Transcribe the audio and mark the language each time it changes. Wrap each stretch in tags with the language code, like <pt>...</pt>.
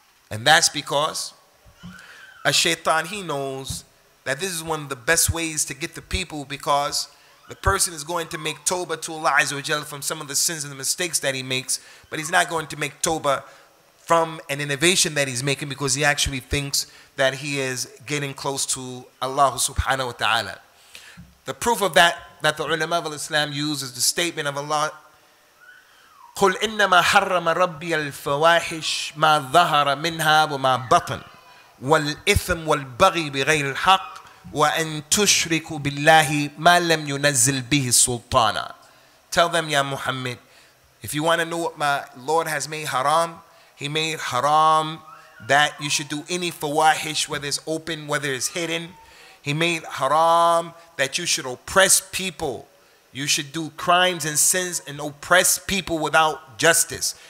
<en>And that's because a shaitan, he knows that this is one of the best ways to get the people, because the person is going to make tawbah to Allah Azza wa Jalla from some of the sins and the mistakes that he makes, but he's not going to make tawbah from an innovation that he's making, because he actually thinks that he is getting close to Allah subhanahu wa ta'ala.</en> <ar>The proof of that, that the ulama of Islam use, is the statement of Allah, قُلْ إِنَّمَا حَرَّمَ رَبِّيَ الْفَوَاحِشْ مَا ظَهَرَ مِنْهَا وَمَا بَطَنْ وَالْإِثْمْ وَالْبَغِي بِغَيْرِ الْحَقِّ وَأَنْ تُشْرِكُ بِاللَّهِ مَا لَمْ يُنَزِّلْ بِهِ سُلْطَانًا.</ar> <en>Tell them, ya Muhammad, if you want to know what my Lord has made haram, he made haram that you should do any fawahish, whether it's open, whether it's hidden. He made haram that you should oppress people. You should do crimes and sins and oppress people without justice.</en>